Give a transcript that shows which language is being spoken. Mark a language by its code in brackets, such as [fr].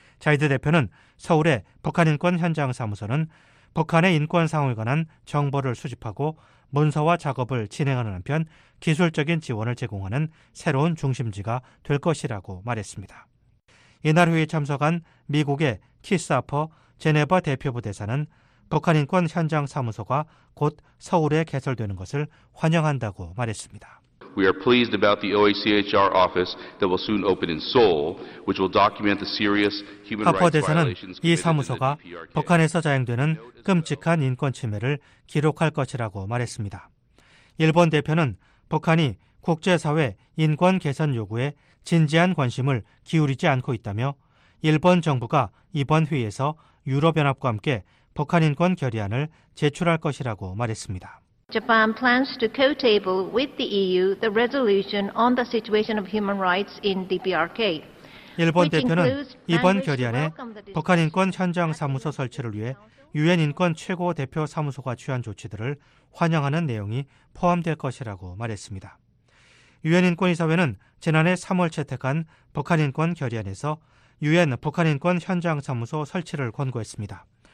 [ko] 자이드 대표는 서울의 북한인권현장사무소는 북한의 인권상황에 관한 정보를 수집하고 문서화 작업을 진행하는 한편 기술적인 지원을 제공하는 새로운 중심지가 될 것이라고 말했습니다. 이날 회의에 참석한 미국의 키스 아퍼 제네바 대표부 대사는 북한인권현장사무소가 곧 서울에 개설되는 것을 환영한다고 말했습니다. [en] We are pleased about the OACHR office that will soon open in Seoul, which will document the serious human rights violations. [ko] 하퍼 대사는 이 사무소가 북한에서 자행되는 끔찍한 인권 침해를 기록할 것이라고 말했습니다. 일본 대표는 북한이 국제사회 인권 개선 요구에 진지한 관심을 기울이지 않고 있다며 일본 정부가 이번 회의에서 유럽연합과 함께 북한 인권 결의안을 제출할 것이라고 말했습니다. [en] Japan plans to co-table with the EU the resolution on the situation of human rights in DPRK. [ko] 일본 대표는 이번 결의안에 북한 인권 현장 사무소 설치를 위해 유엔 인권 최고 대표 사무소가 취한 조치들을 환영하는 내용이 포함될 것이라고 말했습니다. 유엔 인권이사회는 지난해 3월 채택한 북한 인권 결의안에서 유엔 북한 인권 현장 사무소 설치를 권고했습니다.